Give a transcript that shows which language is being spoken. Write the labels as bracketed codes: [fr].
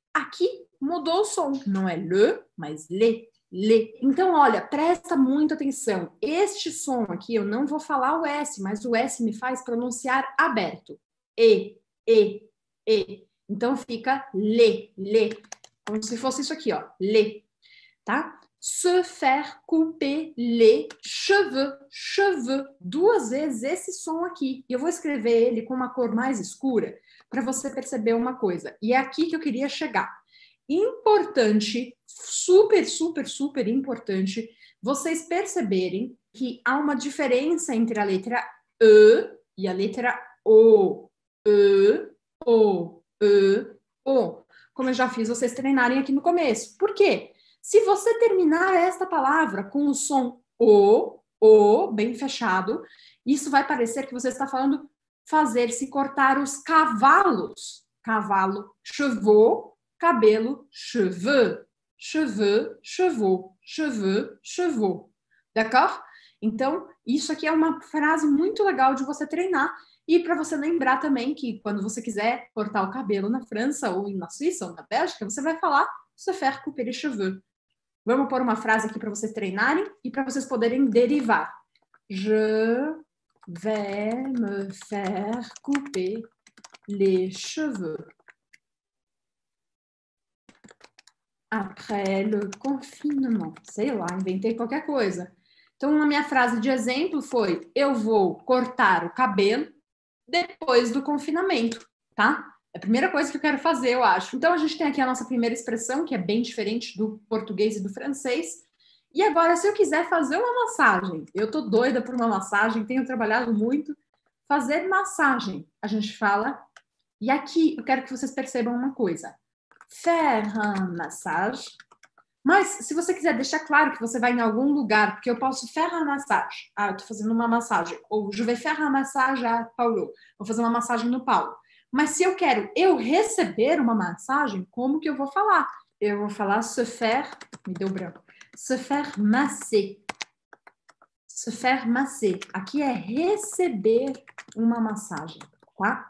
[pt] Aqui mudou o som. Não é le, mas le. Le. Então, olha, presta muita atenção. Este som aqui, eu não vou falar o S, mas o S me faz pronunciar aberto. E. Então, fica le, le. Como se fosse isso aqui, ó. Le. Tá? [fr] Se faire couper les cheveux. [pt] Duas vezes esse som aqui. E eu vou escrever ele com uma cor mais escura para você perceber uma coisa. E é aqui que eu queria chegar. Importante, super, super, super importante vocês perceberem que há uma diferença entre a letra E e a letra O. O. Como eu já fiz vocês treinarem aqui no começo. Por quê? Se você terminar esta palavra com o som o, bem fechado, isso vai parecer que você está falando fazer-se cortar os cavalos. Cavalo, chevaux, cabelo, cheveux. [fr] Cheveux, chevaux, cheveux, chevaux. D'accord? [pt] Então, isso aqui é uma frase muito legal de você treinar e para você lembrar também que quando você quiser cortar o cabelo na França ou na Suíça ou na Bélgica, você vai falar [fr] se faire couper les cheveux. [pt] Vamos pôr uma frase aqui para vocês treinarem e para vocês poderem derivar. [fr] Je vais me faire couper les cheveux après le confinement. [pt] Sei lá, inventei qualquer coisa. Então, a minha frase de exemplo foi: eu vou cortar o cabelo depois do confinamento, tá? É a primeira coisa que eu quero fazer, eu acho. Então, a gente tem aqui a nossa primeira expressão, que é bem diferente do português e do francês. E agora, se eu quiser fazer uma massagem, eu tô doida por uma massagem, tenho trabalhado muito. Fazer massagem, a gente fala. E aqui, eu quero que vocês percebam uma coisa. [fr] Faire massage. [pt] Mas, se você quiser deixar claro que você vai em algum lugar, porque eu posso [fr] faire massage. [pt] Ah, eu tô fazendo uma massagem. [fr] Ou je vais faire massage à Paulo. [pt] Vou fazer uma massagem no Paulo. Mas se eu quero eu receber uma massagem, como que eu vou falar? Eu vou falar se faire... Me deu branco. [fr] Se faire masser. Se faire masser. [pt] Aqui é receber uma massagem, tá?